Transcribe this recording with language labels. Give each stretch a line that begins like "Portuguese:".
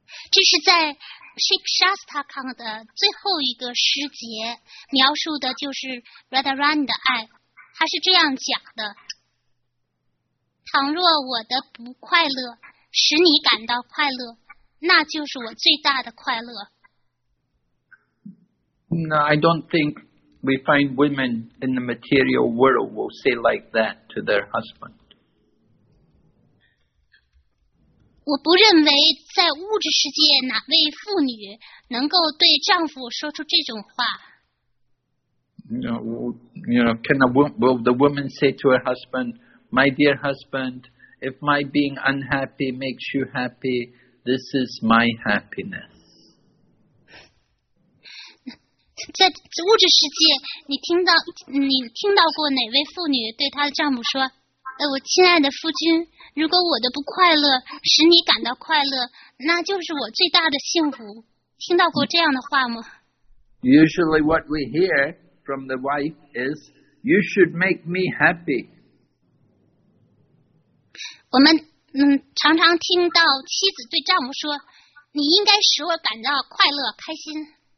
Chinese: 这是在 Shikshastaka 的最后一个诗节描述的就是 Radharani 的爱，他是这样讲的：倘若我的不快乐使你感到快乐，那就是我最大的快乐。
English: No, I don't think. We find women in the material world will say like that to their husband.
Chinese: 我不认为在物质世界哪位妇女能够对丈夫说出这种话。
English: Will the woman say to her husband, "My dear husband, if my being unhappy makes you happy, this is my happiness."
Chinese: 在物质世界，你听到过哪位妇女对她的丈夫说：“我亲爱的夫君，如果我的不快乐使你感到快乐，那就是我最大的幸福。” 听到过这样的话吗
English: ？Usually, what we hear from the wife is, "You should make me happy."
Chinese: 我们常常听到妻子对丈夫说：“你应该使我感到快乐、开心。”